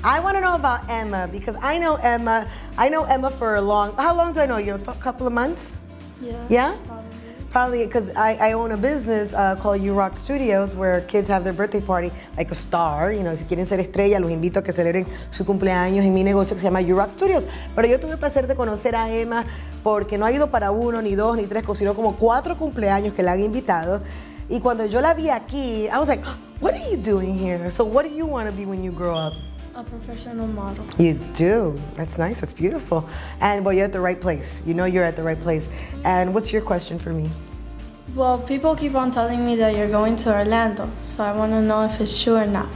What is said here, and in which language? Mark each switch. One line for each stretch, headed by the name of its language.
English: I want to know about Emma, because I know Emma for a long, how long do I know you? A couple of months? Yeah? Probably, because I own a business called U Rock Studios, where kids have their birthday party like a star. You know,
Spanish: si quieren ser estrella, los invito a que celebren su cumpleaños en mi negocio que se llama U Rock Studios. Pero yo tuve el placer de conocer a Emma porque no ha ido para uno, ni dos, ni tres, sino como cuatro cumpleaños que la han invitado. Y cuando yo la vi aquí,
English: I was like, what are you doing here? So what do you want to be when you grow up? A professional model. You do. That's nice. That's beautiful. And well, you're at the right place. You know you're at the right place. And what's your question for me? Well, people keep on telling me that you're going to Orlando, so I want to know if it's true or not.